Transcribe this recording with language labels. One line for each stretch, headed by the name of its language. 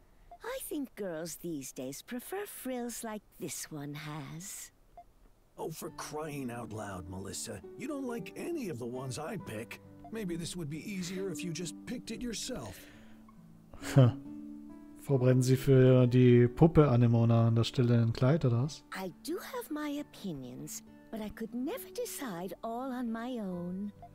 English: I think girls these days prefer frills like this one has. Oh, for crying out loud, Melissa. You don't like any of the ones I pick. Maybe this would be easier if you just picked it yourself.
German: Vorbereiten Sie für die Puppe Anemona an der Stelle ein Kleid oder was?
English: I do have my opinions, but I could never decide all on my own.